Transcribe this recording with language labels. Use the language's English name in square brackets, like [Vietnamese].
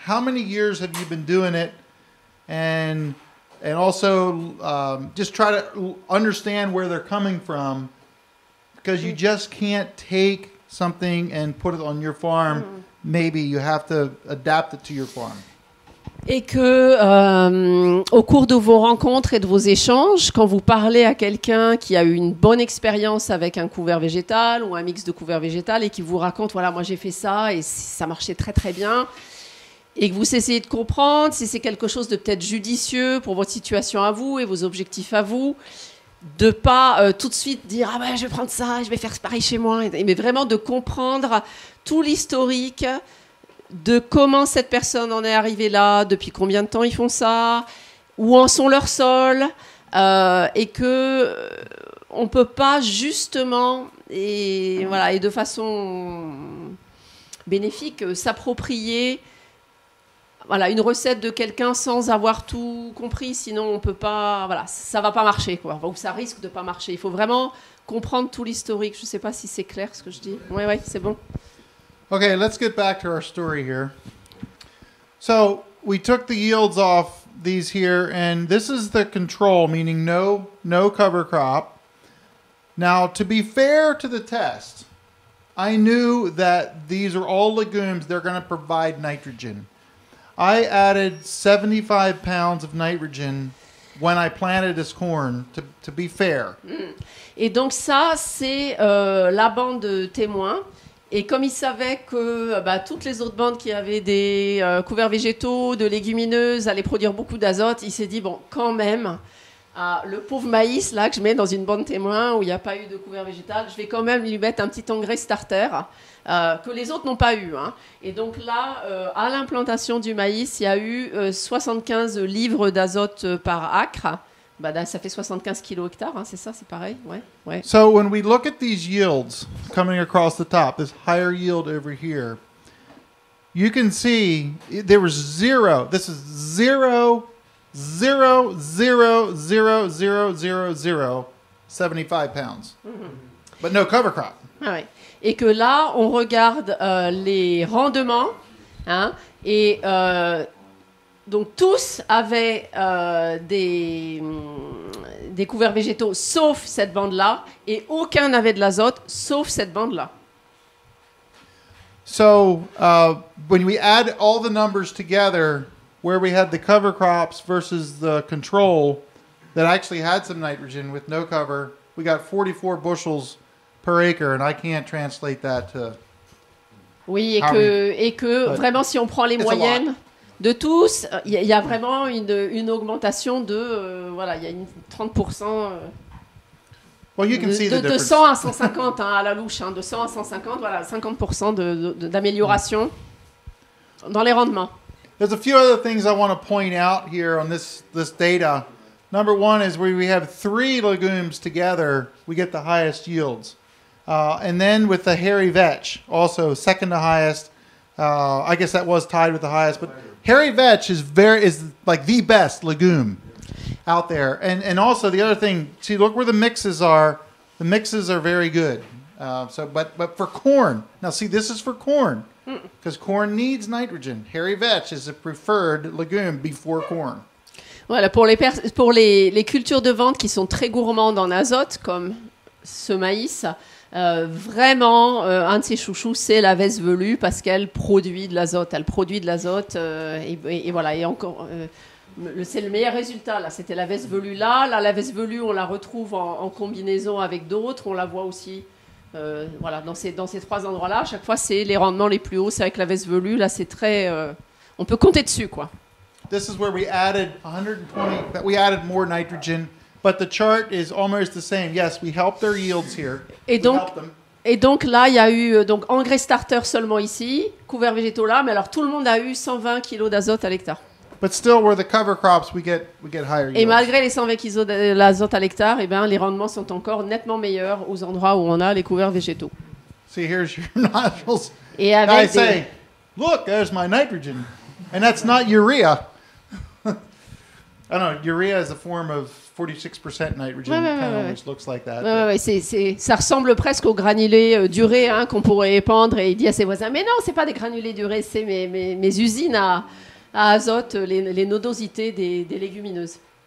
[English] How many years have you been doing it? And also just try to understand where they're coming from, because you just can't take something and put it on your farm. Maybe you have to adapt it to your farm. [French] Et que au cours de vos rencontres et de vos échanges, quand vous parlez à quelqu'un qui a eu une bonne expérience avec un couvert végétal ou un mix de couvert végétal et qui vous raconte, voilà, moi j'ai fait ça et ça marchait très très bien, et que vous essayez de comprendre si c'est quelque chose de peut-être judicieux pour votre situation à vous et vos objectifs à vous, de pas tout de suite dire je vais prendre ça, je vais faire pareil chez moi, mais vraiment de comprendre tout l'historique de comment cette personne en est arrivée là, depuis combien de temps ils font ça, où en sont leurs sols, et que on peut pas justement et de façon bénéfique s'approprier une recette de quelqu'un sans avoir tout compris, sinon on peut pas ça va pas marcher quoi, ou ça risque de pas marcher. Il faut vraiment comprendre tout l'historique. Je sais pas si c'est clair ce que je dis. Ouais, c'est bon. [English] Okay, let's get back to our story here. So we took the yields off these here, and this is the control, meaning no cover crop. Now, to be fair to the test, I knew that these are all legumes. They're going to provide nitrogen. I added 75 pounds of nitrogen when I planted this corn, to be fair. [French] Et donc ça, c'est la bande de témoins. Et comme il savait que toutes les autres bandes qui avaient des couverts végétaux, de légumineuses, allaient produire beaucoup d'azote, il s'est dit, quand même, Ah, le pauvre maïs là que je mets dans une bande témoin où il n'y a pas eu de couvert végétal, je vais quand même lui mettre un petit engrais starter que les autres n'ont pas eu. Hein. Et donc là, à l'implantation du maïs, il y a eu 75 livres d'azote par acre. Bah, là, ça fait 75 kilos hectares, hein, c'est ça, c'est pareil. Ouais, ouais. [English] So when we look at these yields coming across the top, this higher yield over here, you can see there was zero. This is zero. 0000000 75 pounds. Mm-hmm. But no cover crop. [French] Ah ouais. Et que là, on regarde les rendements. Hein, et donc, tous avaient des couverts végétaux, sauf cette bande-là. Et aucun n'avait de l'azote, sauf cette bande-là. [English] So, when we add all the numbers together, where we had the cover crops versus the control that actually had some nitrogen with no cover, we got 44 bushels per acre, and I can't translate that to... [French] Oui, et que vraiment, si on prend les moyennes de tous, il y a vraiment une augmentation de, voilà, il y a une 30%... [English] Well, you can see [French] de 100 à 150, hein, à la louche, hein, de 100 à 150, voilà, 50% d'amélioration dans les rendements. [English] There's a few other things I want to point out here on this data. Number one is where we have three legumes together, we get the highest yields. And then with the hairy vetch, also second to highest. I guess that was tied with the highest, but hairy vetch is like the best legume out there. And also the other thing, see, look where the mixes are. The mixes are very good. But for corn, now see, this is for corn. Because corn needs nitrogen. Hairy vetch is a preferred legume before corn. [French] Voilà, pour les cultures de vente qui sont très gourmandes en azote, comme ce maïs, vraiment, un de ses chouchous, c'est la veste velue, parce qu'elle produit de l'azote. Elle produit de l'azote, et voilà, et encore... c'est le meilleur résultat, là. C'était la veste velue, là. Là, la veste velue, on la retrouve en combinaison avec d'autres. On la voit aussi... voilà, dans ces trois endroits-là, à chaque fois, c'est les rendements les plus hauts, c'est avec la veste velue. Là, c'est très... on peut compter dessus, quoi. [English] This is where we added 120... We added more nitrogen, but the chart is almost the same. Yes, we helped their yields here. [French] Et donc, là, il y a eu donc engrais starter seulement ici, couverts végétaux là, mais alors tout le monde a eu 120 kilos d'azote à l'hectare. [English] But still, where the cover crops, we get higher yields. [French] Et malgré les 120 kg d'azote à l'hectare, eh ben, les rendements sont encore nettement meilleurs aux endroits où on a les couverts végétaux. [English] See, here's your nitrogen. [French] Et avec [English] I say, look, there's my nitrogen. And that's not urea. I don't know, urea is a form of 46% nitrogen, which looks like that. [French] Ouais, ouais, c'est, ça ressemble presque aux granulés d'urée, hein, qu'on pourrait épandre. Et il dit à ses voisins, mais non, c'est pas des granulés d'urée, c'est mes usines à azote, les nodosités des légumineuses.